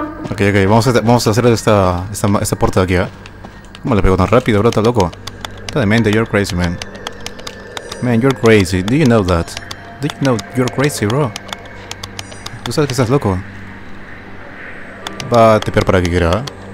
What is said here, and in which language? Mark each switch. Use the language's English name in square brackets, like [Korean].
[Spanish] Ok, ok, vamos a hacer esta puerta de aquí, ¿eh? ¿Cómo le pego tan rápido, bro? ¿Estás loco? Está demente, [English] you're crazy, man. Man, you're crazy, do you know that? Do you know you're crazy, bro? [Spanish] ¿Tú sabes que estás loco? Va a tepear para que quiera, ¿eh?